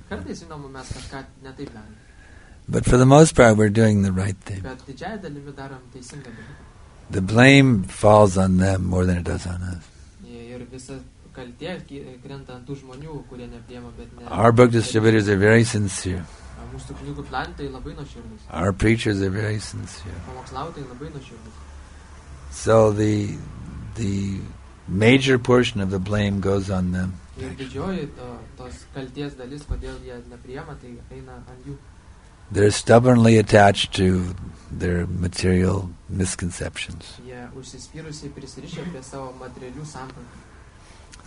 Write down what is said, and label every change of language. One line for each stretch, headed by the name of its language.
Lithuanian: Kartais, žinoma, mes kažką ne taip darom.
English: But for the most part, we're doing the right thing.
Lithuanian: Bet didžiąja dalimi darom teisingą dalyką.
English: The blame falls on them more than it does on us.
Lithuanian: Ir visa kaltė krenta ant tų žmonių, kurie nepriema, bet ne.
English: Our book distributors are very sincere.
Lithuanian: Mūsų knygų platintojai labai nuoširdūs.
English: Our preachers are very sincere.
Lithuanian: Pamokslautojai labai nuoširdūs.
English: So the major portion of the blame goes on them.
Lithuanian: Ir didžioji tos kaltės dalis, kodėl jie nepriema, tai eina ant jų.
English: They're stubbornly attached to their material misconceptions.
Lithuanian: Jie užsispyrusiai prisirišę prie savo materialių sampratų.